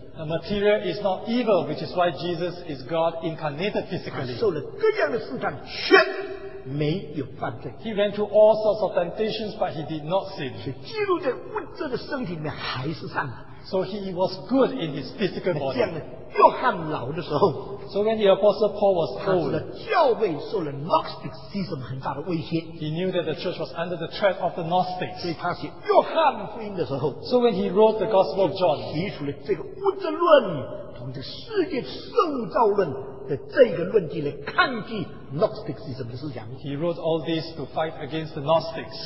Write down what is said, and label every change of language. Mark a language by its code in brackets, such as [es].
[en] The material is not evil, which is why Jesus is God incarnated physically. [zh] 受了各样的试探，却没有犯罪。 [en] He went through all sorts of temptations, but he did not sin. [zh] 所以基督在物质的身体里面还是善的。 [en] So he was good in his physical body. [zh] 这样的，约翰老的时候。 [en] So when the Apostle Paul was told, [zh] 他的教会受了 Gnosticism 很大的威胁。 [en] He knew that the church was under the threat of the Gnostics. [zh] 所以他写约翰福音的时候。 [en] So when he wrote the Gospel of John, [zh] 提出了这个物质论，从这个世界受造论。的这个论据来抗拒 Gnosticism 的思想。 [en] He wrote all this to fight against the Gnostics.